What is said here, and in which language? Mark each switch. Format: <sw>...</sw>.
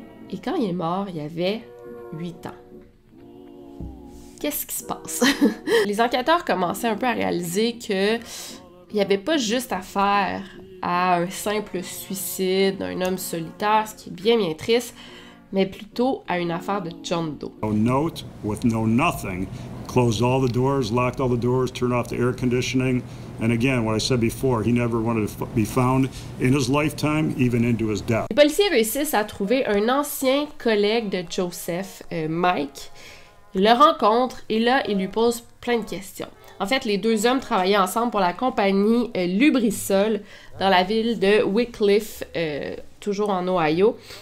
<fr>Et quand il est mort, il avait 8 ans. Qu'est-ce qui se passe? Les enquêteurs commençaient un peu à réaliser qu'il n'y avait pas juste affaire à un simple suicide d'un homme solitaire, ce qui est bien bien triste, mais plutôt à une affaire de John Doe.</fr> <en>No note with no nothing. Closed all the doors, locked all the doors, turned off the air conditioning. And again, what I said before, he never wanted to be found in his lifetime, even into his death.</en> <fr>Les policiers réussissent à trouver un ancien collègue de Joseph, Mike. Ils le rencontrent et là, ils lui posent plein de questions. En fait, les deux hommes travaillaient ensemble pour la compagnie Lubrisol dans la ville de Wycliffe, toujours en Ohio.</fr>